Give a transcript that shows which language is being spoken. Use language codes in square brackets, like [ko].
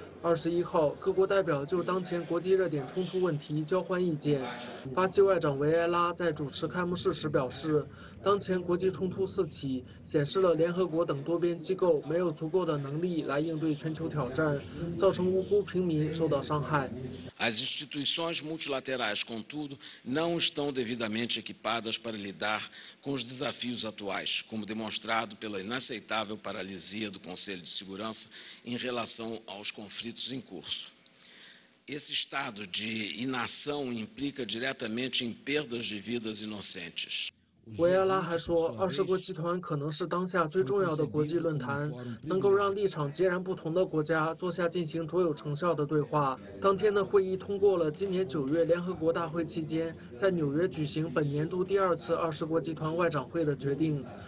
[zh] 21号，各国代表就当前国际热点冲突问题交换意见。巴西外长维埃拉在主持开幕式时表示，当前国际冲突四起，显示了联合国等多边机构没有足够的能力来应对全球挑战，造成无辜平民受到伤害。 [pt] As instituições multilaterais, contudo, não estão devidamente equipadas para lidar com os desafios atuais, como demonstrado pela inaceitável paralisia do Conselho de Segurança em relação aos conflitos em curso. Esse estado de inação implica diretamente em perdas de vidas inocentes. [zh] 维埃拉还说，20国集团可能是当下最重要的国际论坛，能够让立场截然不同的国家坐下进行卓有成效的对话。当天的会议通过了今年9月联合国大会期间在纽约举行本年度第二次20国集团外长会的决定。